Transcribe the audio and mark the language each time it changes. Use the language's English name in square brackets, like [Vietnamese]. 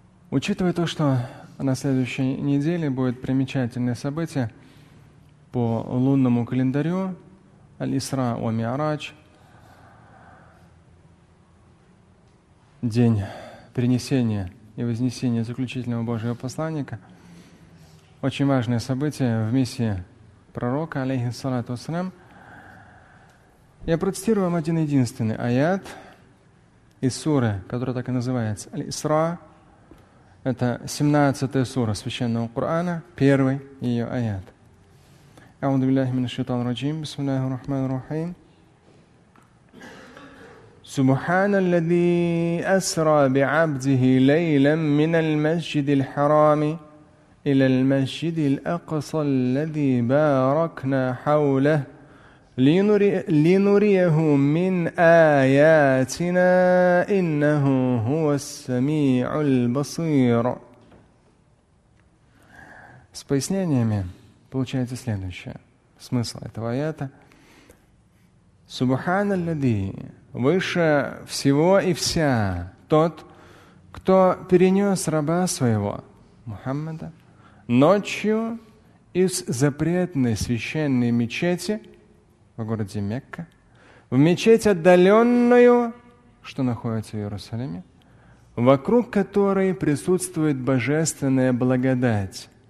[Russian] Учитывая то, что на следующей неделе будет примечательное событие по лунному календарю Аль-Исра ва Миарадж, день принесения и вознесения заключительного Божьего посланника, очень важное событие в миссии пророка, алейхиссалату ассалям, я процитирую вам один единственный аят из суры, который так и называется Аль-Исра. Это 17-я сура Священного Корана, первый ее аят. [Arabic] أعوذ بالله من الشيطان الرجيم بسم الله الرحمن الرحيم سبحان الذي أسرى بعبده ليلا من المسجد الحرام إلى المسجد الأقصى الذي باركنا حوله لنريه من آياتنا إنه هو السميع البصير. [Russian] С пояснениями получается следующее. Смысл этого аята. [Arabic] Субхан аль-лади, [Russian] выше всего и вся, тот, кто перенес раба своего, Мухаммада, ночью из запретной священной мечети в городе Мекка, в мечеть отдаленную, что находится в Иерусалиме, вокруг которой присутствует божественная благодать.